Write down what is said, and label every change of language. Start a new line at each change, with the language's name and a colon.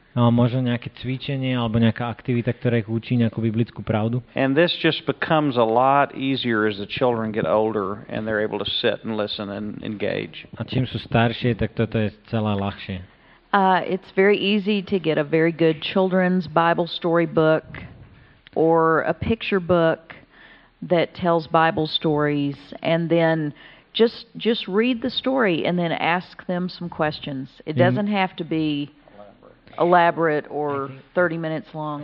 Slovak: No, možno nejaké cvičenie alebo nejaká aktivita, ktorá ich učí nejakú biblickú pravdu.
English: And this just becomes a lot easier as the children get older and they're able to sit and listen and engage.
Slovak: A čím sú staršie, tak toto je celé ľahšie.
English: It's very easy to get a very good children's Bible story book or a picture book that tells Bible stories and then just read the story and then ask them some questions. It doesn't have to be elaborate or 30 minutes long.